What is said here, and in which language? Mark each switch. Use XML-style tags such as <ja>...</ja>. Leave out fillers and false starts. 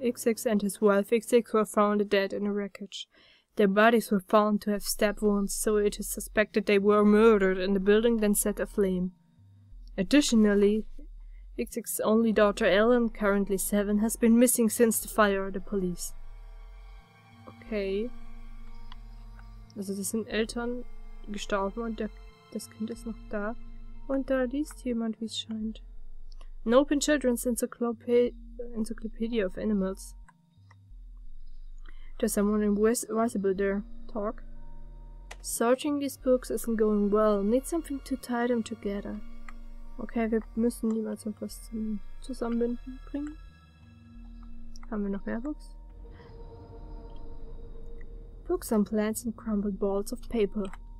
<en>XX and his wife XX were found dead in a wreckage. Their bodies were found to have stab wounds, so it is suspected they were murdered and the building then set aflame. Additionally, XX's only daughter Ellen, currently 7, has been missing since the fire, the police. Okay.</en> <de>Also das sind Eltern gestorben und das Kind ist noch da. Und da liest jemand, wie es scheint.</de> <en>An open children's encyclopedia of animals. There's someone invisible there. Talk. Searching these books isn't going well. Need something to tie them together.</en> <de>Okay, wir müssen niemals etwas zum Zusammenbinden bringen. Haben wir noch mehr Books?</de> <en>Books on plants and crumbled balls of paper.</en>